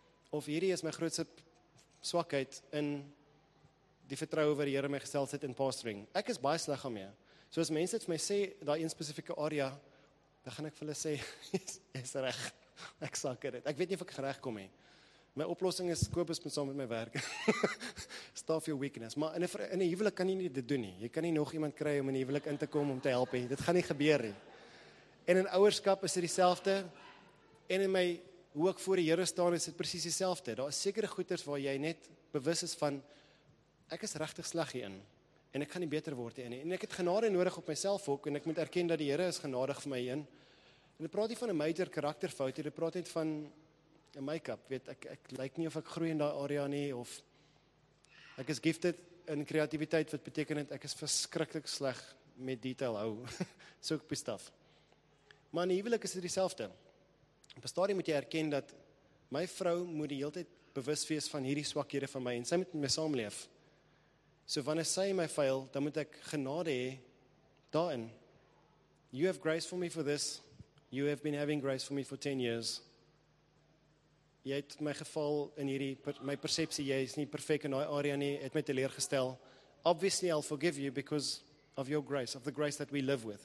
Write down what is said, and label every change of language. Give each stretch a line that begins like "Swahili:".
Afrikaans: Of hierdie is my grootste swakheid in die vertroue wat die Here my gestel het in pastoring. Ek is baie sleg daarmee. So as mense het vir my sê, daai een spesifieke area, dan gaan ek vir hulle sê, jy's reg. Ek sakker dit. Ek weet nie of ek gereg kom nie. My oplossing is, Kobus moet saam met my werk.
English: Staff your weakness.
Afrikaans: Maar in 'n huwelik kan jy nie dit doen nie. Jy kan nie nog iemand kry om in 'n huwelik in te kom om te help nie. Dit gaan nie gebeur nie. En in ouerskap is dit dieselfde. En in my, hoe ek voor die Here staan, is dit presies dieselfde. Daar is sekere goeders waar jy net bewus is van, ek is regtig sleg hierin. En ek gaan nie beter word hierin. En ek het genade nodig op myself ook, en ek moet erken dat die Here is genadig vir my hierin. En dit praat nie van 'n major karakterfout, dit praat net van 'n make-up. Weet, ek lyk nie of ek groei in daai area nie, of ek is gifted in kreatiwiteit, wat beteken dat ek is verskriklik sleg met detail hou. So ek bestaf. Maar in die huwelik is dit dieselfde. Op 'n stadium moet jy erken dat my vrou moet die hele tyd bewus wees van hierdie swakhede van my, en sy moet met my saamleef. So wanneer sy my fail, dan moet ek genade hê daarin.
English: You have grace for me for this. You have been having grace for me for 10 years.
Afrikaans: Jy het my geval in hierdie, my persepsie, jy is nie perfect in die area nie, het my teleergestel.
English: Obviously I'll forgive you because of your grace, of the grace that we live with.